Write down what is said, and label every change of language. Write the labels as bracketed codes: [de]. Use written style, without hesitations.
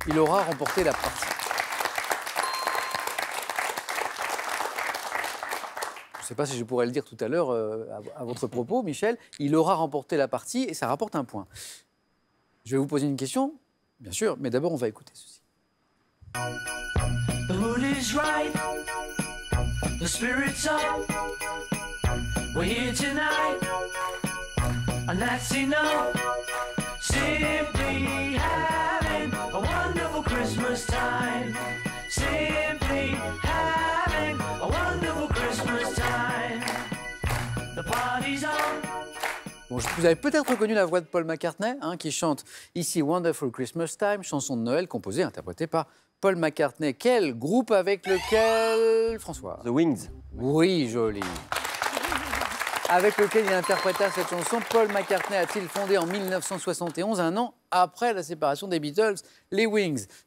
[fr] Il aura remporté la partie. Je ne sais pas si je pourrais le dire tout à l'heure à votre propos, Michel. Il aura remporté la partie et ça rapporte un point. Je vais vous poser une question, bien sûr, mais d'abord, on va écouter ceci. [en] The mood is right, the spirit's up, we're here tonight, and that's enough, simply having a wonderful Christmas time, simply having a wonderful Christmas time, the party's on. [fr] Bon, vous avez peut-être reconnu la voix de Paul McCartney, hein, qui chante ici Wonderful Christmas Time, chanson de Noël composée et interprétée par Paul McCartney. Quel groupe avec lequel, François ? [en] The Wings. [fr] Oui, joli. Avec lequel il interpréta cette chanson, Paul McCartney a-t-il fondé en 1971, un an après la séparation des Beatles, les Wings ?